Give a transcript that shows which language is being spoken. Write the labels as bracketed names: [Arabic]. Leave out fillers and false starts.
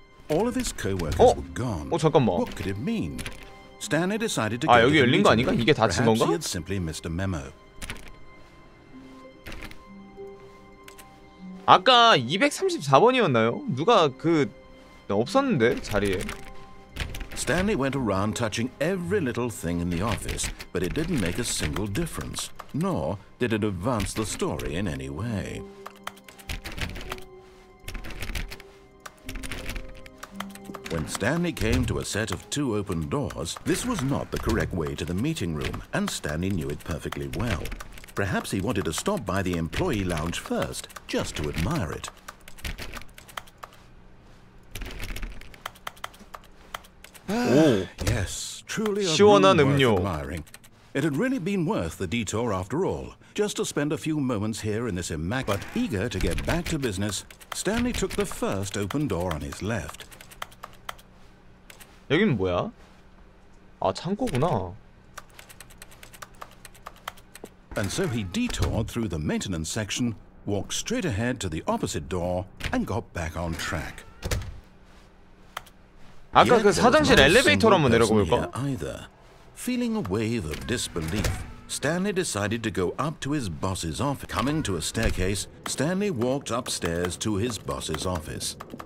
[English] All of his co-workers were gone. [Korean] 어, 잠깐만. [English] What could it mean? Stanley decided to [Korean] 아, 여기 열린 거 아닌가? 이게 닫힌 건가? [English] He had simply missed a memo. [Korean] 아까 234번이었나요? 누가 그 없었는데 자리에. [English] Stanley went around touching every little thing in the office, but it didn't make a single difference, nor did it advance the story in any way. When Stanley came to a set of two open doors, this was not the correct way to the meeting room, and Stanley knew it perfectly well. Perhaps he wanted to stop by the employee lounge first, just to admire it. Oh, yes, truly a room worth admiring. It had really been worth the detour after all. Just to spend a few moments here in this immaculate, eager to get back to business, Stanley took the first open door on his left. [Korean] 여기는 뭐야? 아, 창고구나. [English] And so he detoured through the maintenance section, walked straight ahead to the opposite door, and got back on track. [Korean] 아까 그 사장실 엘리베이터로 한번 내려가 볼까? [English] Either. Feeling a wave of disbelief, Stanley decided to go up to his boss's office. Coming to a staircase, Stanley walked upstairs to his boss's office.